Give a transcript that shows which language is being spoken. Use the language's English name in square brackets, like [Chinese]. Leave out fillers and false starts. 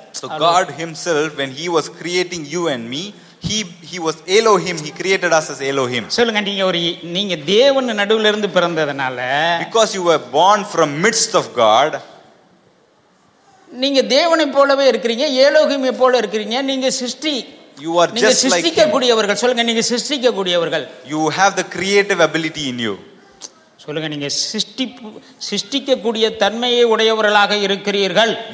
[English] So God himself, when he was creating you and me, he was Elohim. He created us as Elohim. [Tamil] சொல்லுங்க, நீங்க தேவன் நடுவுல இருந்து பிறந்ததனால, [English] because you were born from midst of God, [Tamil] நீங்க தேவனை போலவே இருக்கிறீங்க, ஏலோகிமை போல இருக்கிறீங்க. நீங்க சிருஷ்டி, [English] you are [Tamil] நீங்க சிருஷ்டிக்க கூடியவர்கள். சொல்லுங்க, நீங்க சிருஷ்டிக்க கூடியவர்கள். [English] You have the creative ability in you. [Tamil] சொல்லுங்க, நீங்க சிருஷ்டிக்க கூடிய தன்மையை உடையவர்களாக இருக்கிறீர்கள்.